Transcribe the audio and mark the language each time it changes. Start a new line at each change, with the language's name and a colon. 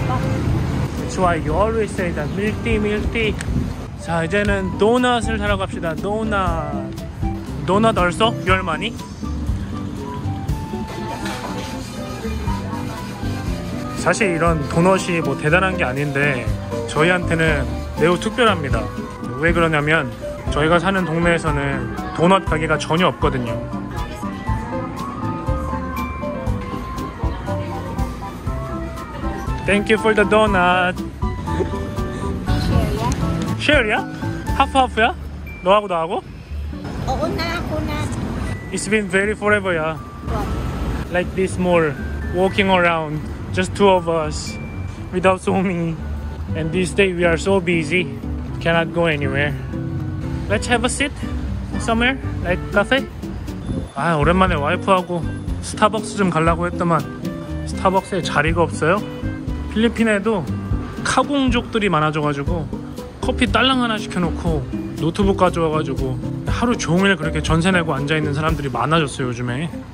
English: That's why you always say that milk tea, milk tea.
Korean: 자, 이제는 도넛을 사러 갑시다. 도넛. 도넛 얼소? 열마니? 사실 이런 도넛이 뭐 대단한 게 아닌데 저희한테는 매우 특별합니다. 왜 그러냐면 저희가 사는 동네에서는 도넛 가게가 전혀 없거든요.
English: 땡큐 포 더 도넛.
Korean: 쉐어리야? 하프하프야? 너하고 나하고? 나.
English: It's been very forever, yeah. Like this mall, walking around, just two of us, without Somi. And this day we are so busy, cannot go anywhere. Let's have a seat somewhere, like cafe.
Korean: 아, 오랜만에 와이프하고 스타벅스 좀 가려고 했더만 스타벅스에 자리가 없어요. 필리핀에도 카공족들이 많아져가지고 커피 딸랑 하나 시켜놓고 노트북 가져와가지고 하루 종일 그렇게 전세 내고 앉아있는 사람들이 많아졌어요, 요즘에.